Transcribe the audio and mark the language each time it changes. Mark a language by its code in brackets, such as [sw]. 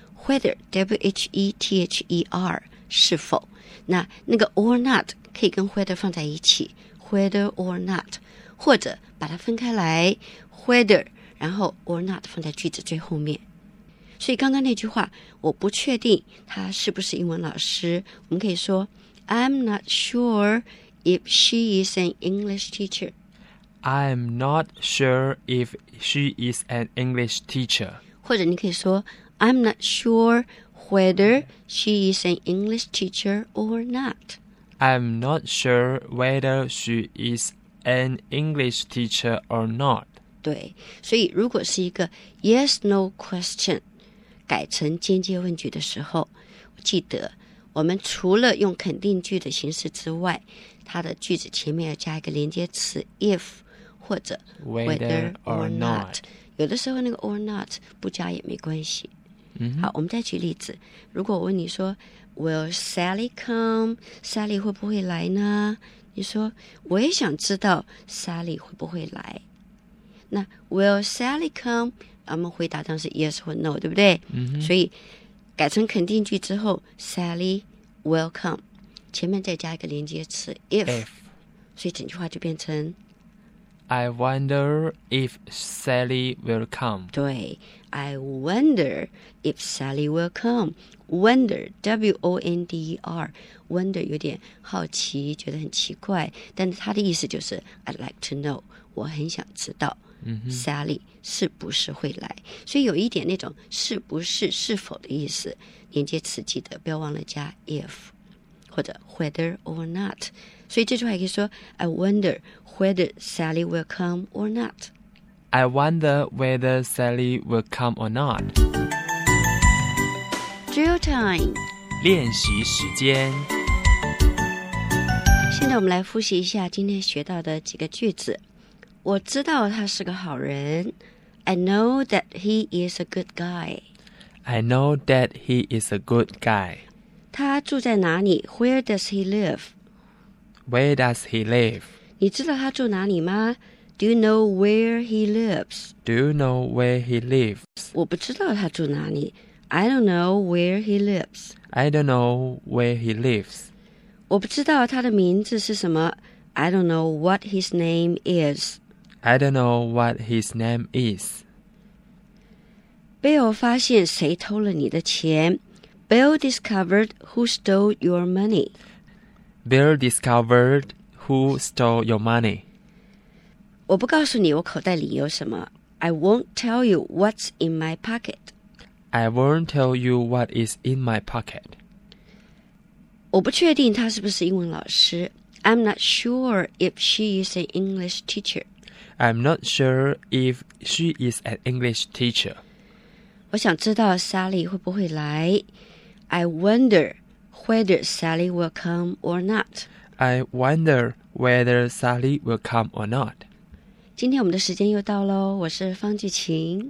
[zh] whether w-h-e-t-h-e-r 是否那个 or not 可以跟 whether 放在一起 whether or not 或者把它分开来 whether 然后 or not 放在句子最后面所以刚刚那句话我不确定他是不是英文老师我们可以说 [en] I'm not sure if she is an English teacher I'm not sure if she is an English teacher [zh] 或者你可以说 [en] I'm not sure whether she is an English teacher or not I'm not sure whether she is an English teacher or not [zh] 对所以如果是一个 [en] yes no question [zh] 改成间接问句的时候记得我们除了用肯定句的形式之外它的句子前面要加一个连接词 if 或者 [en] whether or not [zh] 有的时候那个 or not 不加也没关系、 [en] mm-hmm. [zh] 好我们再举例子如果我问你说 [en] will Sally come [zh] Sally 会不会来呢你说我也想知道 Sally 会不会来那 will Sally come 我们回答当时 yes 或 no 对不对、 [en] mm-hmm. [zh] 所以改成肯定句之后 [en] Sally will come [zh] 前面再加一个连接词 if 所以整句话就变成 [en] I wonder if Sally will come [zh] 对 [en] I wonder if Sally will come [zh] wonder w-o-n-d-e-r wonder 有点好奇觉得很奇怪但是他的意思就是 [en] I'd like to know [zh] 我很想知道、 [en] mm-hmm. [zh] Sally 是不是会来所以有一点那种是不是是否的意思连接词记得不要忘了加 if 或者 whether or not 所以这句话也可以说 [en] I wonder whether Sally will come or not I wonder whether Sally will come or not Drill time [zh] 练习时间现在我们来复习一下今天学到的几个句子我知道他是个好人 [en] I know that he is a good guy I know that he is a good guy [zh] 他住在哪里 [en] Where does he live Where does he live [zh] 你知道他住哪里吗 [en] Do you know where he lives Do you know where he lives [zh] 我不知道他住哪里 [en] I don't know where he lives. I don't know where he lives. [zh] 我不知道他的名字是什么。 [en] I don't know what his name is. I don't know what his name is. [zh] Bill 发现谁偷了你的钱。 [en] Bill discovered who stole your money. Bill discovered who stole your money. [zh] 我不告诉你我口袋里有什么。 [en] I won't tell you what's in my pocket. I won't tell you what is in my pocket. [zh] 我不确定她是不是英文老师。 [en] I'm not sure if she is an English teacher. I'm not sure if she is an English teacher. [zh] 我想知道 Sally 会不会来。 [en] I wonder whether Sally will come or not. I wonder whether Sally will come or not. [zh] 今天我们的时间又到咯，我是方季晴，